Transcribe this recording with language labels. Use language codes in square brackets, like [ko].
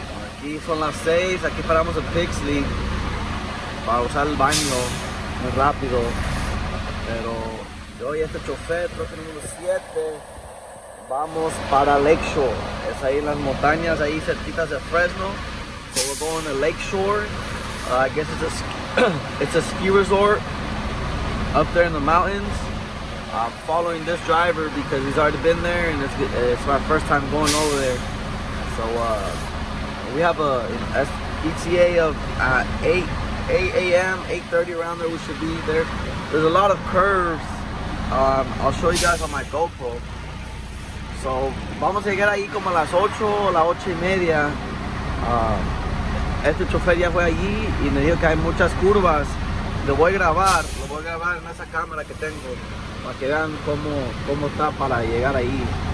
[es] Aquí son las 6, aquí paramos en Pixley para usar el baño muy rápido. Pero yo y este chofer, creo que número 7, vamos para Lakeshore. Es ahí en las montañas, ahí cerquitas de Fresno. [en] So we're going to Lakeshore. I guess it's a ski resort up there in the mountains. I'm following this driver because he's already been there and it's my first time going over there. So we have an ETA of 8 a.m., 8:30 around there we should be there. There's a lot of curves. I'll show you guys on my GoPro. [es] So vamos a llegar ahí como a las 8 o las 8 y media. Este chofer ya fue allí y me dijo que hay muchas curvas. Lo voy a grabar en esa cámara que tengo para que vean cómo está para llegar ahí.